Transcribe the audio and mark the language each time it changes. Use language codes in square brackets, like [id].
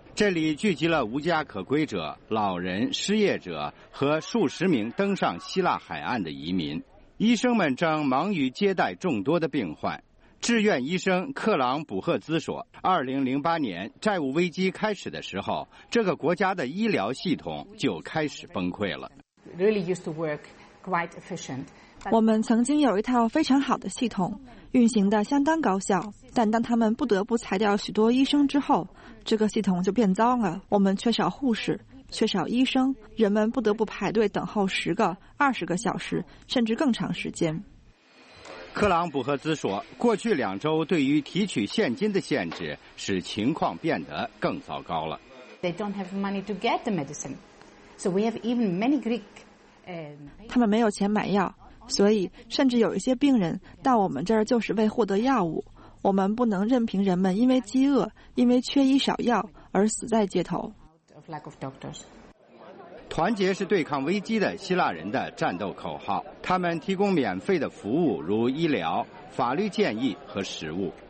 [zh] 这里聚集了无家可归者、老人、失业者和数十名登上希腊海岸的移民。医生们正忙于接待众多的病患。志愿医生克朗·卜赫兹说，2008年债务危机开始的时候，这个国家的医疗系统就开始崩溃了。 [en] Really used to work quite efficient. [zh] 我们曾经有一套非常好的系统，运行的相当高效，但当他们不得不裁掉许多医生之后，这个系统就变糟了。我们缺少护士，缺少医生，人们不得不排队等候10个、20个小时，甚至更长时间。克朗卜赫兹说，过去两周对于提取现金的限制使情况变得更糟糕了。 [en] They don't have money to get the medicine, so we have even many Greek. [zh] 他们没有钱买药，所以甚至有一些病人到我们这儿就是为获得药物。我们不能任凭人们因为饥饿、因为缺医少药而死在街头。团结是对抗危机的希腊人的战斗口号，他们提供免费的服务，如医疗、法律建议和食物。